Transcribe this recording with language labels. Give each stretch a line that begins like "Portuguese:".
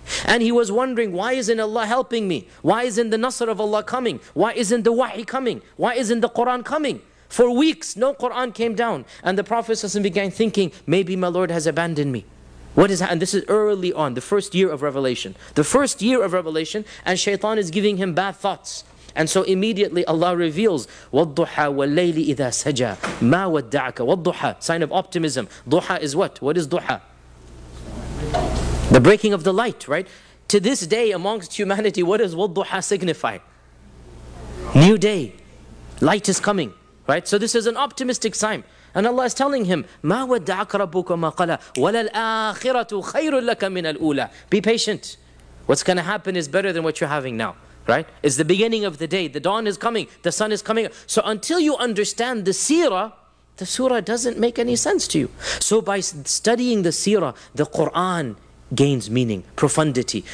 English: And he was wondering, why isn't Allah helping me? Why isn't the Nasr of Allah coming? Why isn't the Wahi coming? Why isn't the Quran coming? For weeks, no Quran came down. And the Prophet ﷺ began thinking, maybe my Lord has abandoned me. What is that? And this is early on, the first year of revelation. The first year of revelation, and Shaytan is giving him bad thoughts. And so immediately Allah reveals,
Arabic: وَالضُّحَى وَاللَّيْلِ إِذَا سَجَى مَا وَدَّعَكَ وَالضُّحَى.
English: Sign of optimism. Duha is what? What is duha? The breaking of the light, right? To this day amongst humanity, what does wadduha signify? New day. Light is coming, right? So this is an optimistic sign. And Allah is telling him,
Arabic: مَا وَدَّعَكَ رَبُّكَ مَا قَلَى وَلَا الْآخِرَةُ خَيْرٌ لَكَ مِنَ الْأُولَى.
English: Be patient. What's going to happen is better than what you're having now, right? It's the beginning of the day. The dawn is coming. The sun is coming. So until you understand the seerah, the surah doesn't make any sense to you. So by studying the seerah, the Quran gains meaning, profundity.